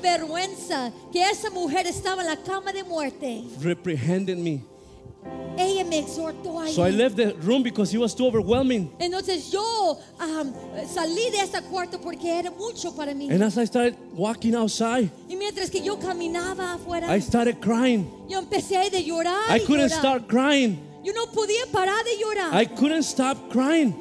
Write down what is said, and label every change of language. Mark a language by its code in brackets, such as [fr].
[es] Vergüenza que esa mujer estaba en la cama de muerte. [en] Reprehended me. [es] Ella me exhortó [en] so I left the room because it was too overwhelming. [es] Entonces yo salí de este cuarto porque era mucho para mí. [en] And as I started walking outside, [es] y mientras que yo caminaba afuera, [en] I started crying. [es] Yo empecé de llorar. [en] I couldn't start crying. [es] Yo no podía parar de llorar. [en] I couldn't stop crying.